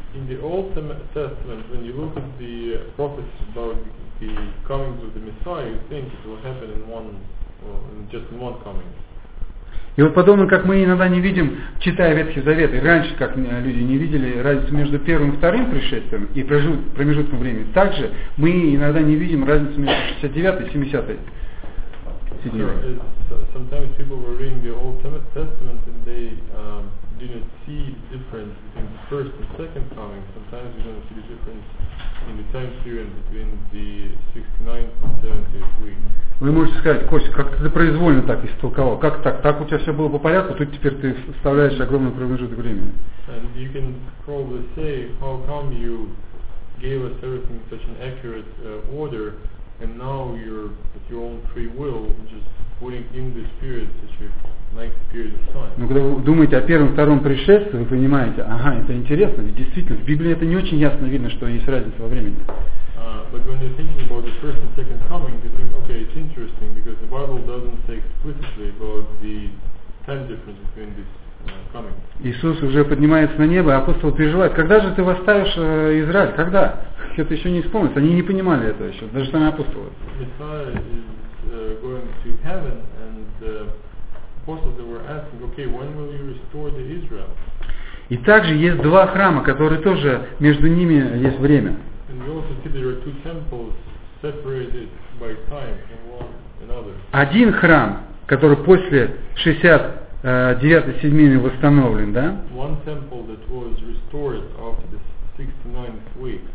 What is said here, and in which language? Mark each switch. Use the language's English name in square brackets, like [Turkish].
[English] In the Old Testament, when you look at the prophecies about the comings of the Messiah, you think it will happen in one, well, just in one coming. [Russian] И вот подобно, как мы иногда не видим, читая Ветхий Завет, и раньше, как люди не видели, разницу между первым и вторым пришествием и промежутком времени, также мы иногда не видим разницу между 69-й и 70-й седьминой. [English] Sometimes people were reading the Old Testament and they didn't see the difference between the first and second coming. Sometimes you don't see the difference in the time period between the 69th and 70th week. [Russian] Вы можете сказать: Костя, как ты произвольно так истолковал? Как так? Так у тебя все было по порядку, тут теперь ты вставляешь огромный промежуток времени. [English] And you can probably say, how come you gave us everything in such an accurate order, and now you're at your own free will just putting in this period such a nice period of time. [Russian] Но когда вы думаете о первом, втором пришествии, вы понимаете, ага, это интересно, ведь действительно, в Библии это не очень ясно видно, что есть разница во времени. [English] But when you're thinking about the first and second coming, you think, okay, it's interesting because the Bible doesn't say explicitly about the time difference between this coming. [Russian] Иисус уже поднимается на небо, апостол переживает. Когда же ты восставишь Израиль? Когда? Это еще не исполнится. Они не понимали это еще, даже сами апостолы. [English] Messiah is going to heaven, and the apostles were asking, okay, when will you restore the Israel? [Russian] И также есть два храма, которые тоже между ними есть время. [English] And you also see there are two temples separated by time from one another. [Russian] Один храм, который после 69-й седьмины восстановлен, да? [English] One temple that was restored after the 69th week.